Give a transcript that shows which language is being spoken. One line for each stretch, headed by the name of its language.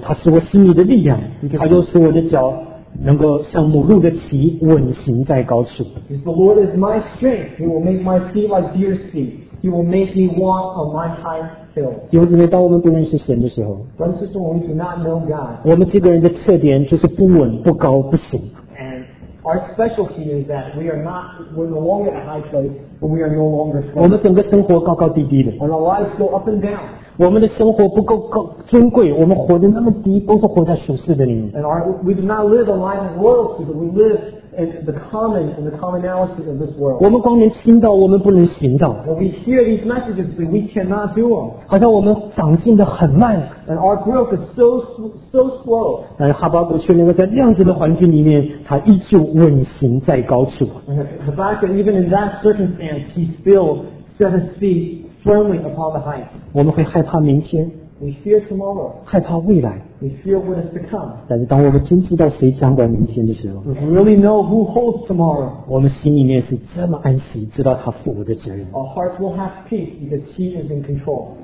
Chinese: 他是我心里的力量，他又使我的脚能够像母鹿的蹄稳行在高处。
English: Because the Lord is my strength. He will make my feet like deer's feet. He will make me walk on my high hills.
Chinese: 弟兄姊妹，当我们不认识神的时候
English: Brothers and sisters, when we do not know God,
Chinese: 我们这个人的特点就是不稳、不高、不行。
English: Our specialty is that we are not, we're no longer at high place, but we are no longer strong.
Chinese: 我们整个生活高高低低的。
English: And our lives go up and down.
Chinese: 我们的生活不够高尊贵，我们活得那么低，都是活在俗世的里面。
English: And we do not live a life of royalty, but we live and the common and the commonality of this world.
Chinese: 我们光能听到，我们不能行道。
English: When we hear these messages, but we cannot do them.
Chinese: 好像我们长进的很慢。
English: And our growth is so slow.
Chinese: 但哈巴谷却能够在量子的环境里面，他依旧稳行在高处。
English: And the fact that even in that circumstance, he still set his feet firmly upon the height.
Chinese: 我们会害怕明天。
English: We fear tomorrow.
Chinese: 害怕未来。
English: We fear what is to come.
Chinese: 但是当我们真知道谁掌管明天的时候，
English: We really know who holds tomorrow.
Chinese: 我们心里面是这么安息，知道他负我的责任。
English: Our hearts will have peace because he is in control.